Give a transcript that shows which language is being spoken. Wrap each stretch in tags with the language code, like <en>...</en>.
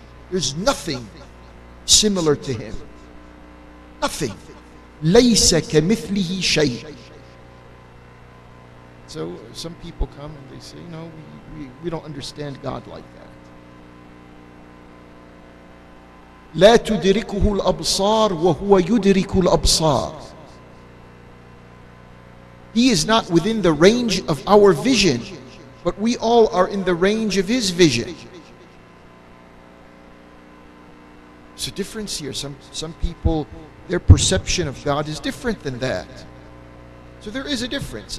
<en>There's nothing similar to Him. Nothing.</en> <ar>Laysa kamithlihi shay.</ar> <en>So some people come and they say, "No, we don't understand God like that."</en> <ar>لا تدركه الأبصار وهو يدرك الأبصار.</ar> <en>He is not within the range of our vision, but we all are in the range of His vision. There's a difference here. Some people, their perception of God is different than that. So there is a difference.</en>